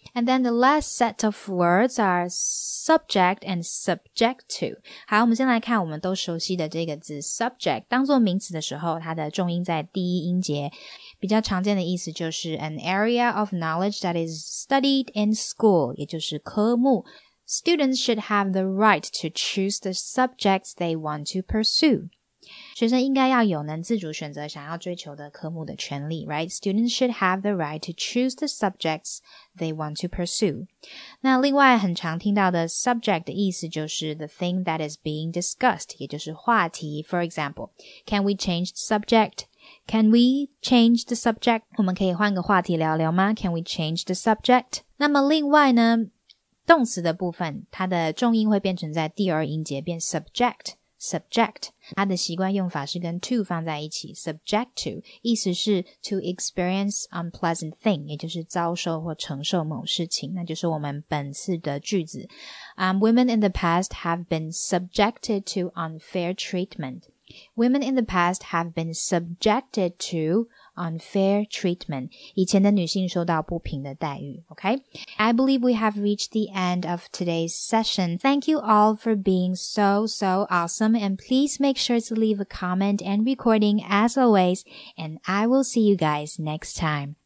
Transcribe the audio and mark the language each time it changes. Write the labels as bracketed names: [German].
[English] And then the last set of words are subject and subject to. [Chinese] 好，我们先来看我们都熟悉的这个字 subject, 当作名词的时候它的重音在第一音节，比较常见的意思就是 [English] an area of knowledge that is studied in school, [Chinese] 也就是科目。 [English] Students should have the right to choose the subjects they want to pursue. [Chinese] 学生应该要有能自主选择想要追求的科目的权利 [English] right? Students should have the right to choose the subjects they want to pursue. [Chinese] 那另外很常听到的 subject 的意思就是 [English] the thing that is being discussed, [Chinese] 也就是话题 [English] for example, can we change the subject? Can we change the subject? [Chinese] 我们可以换个话题聊聊吗? [English] Can we change the subject? [Chinese] 那么另外呢动词的部分它的重音会变成在第二音节变 subject, 它的习惯用法是跟 to 放在一起 subject to, 意思是 [English] to experience unpleasant thing, [Chinese] 也就是遭受或承受某事情，那就是我们本次的句子。 [English] Women in the past have been subjected to unfair treatment. Women in the past have been subjected to unfair treatment. [Chinese] 以前的女性受到不平的待遇 [English] okay? I believe we have reached the end of today's session. Thank you all for being so, so awesome. And please make sure to leave a comment and recording as always. And I will see you guys next time.